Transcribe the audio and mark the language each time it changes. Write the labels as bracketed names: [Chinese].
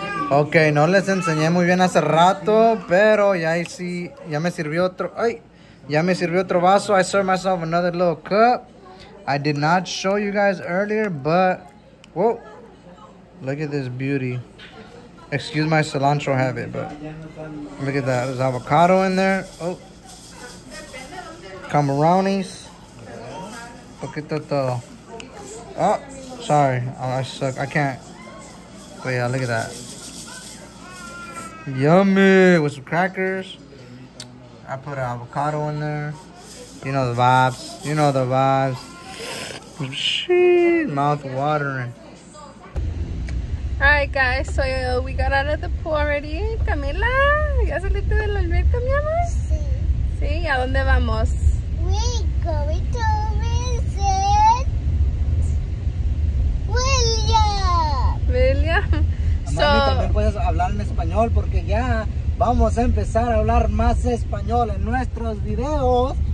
[Spanish] Ok, no les enseñé muy bien hace rato, pero ya ahí sí, ya me sirvió otro, ay, ya me sirvió otro vaso. [English] I served myself another little cup. I did not show you guys earlier, but, whoa, look at this beauty. Excuse my cilantro habit, but look at that, there's avocado in there. [Spanish] Oh, camarones, poquito todo. [English] Oh, sorry, I suck, I can't, but yeah, look at that. Yummy, with some crackers. I put an avocado in there. You know the vibes. You know the vibes. Sheesh, mouth watering. Alright guys, so we got out of the pool already. [Spanish] Camila, ¿ya saliste de la alberca, mi amor? Sí. Sí, ¿a dónde vamos? [English] Wait. going to visit William. William. So, [Spanish] mami, también puedes hablar en español porque ya vamos a empezar a hablar más español en nuestros videos.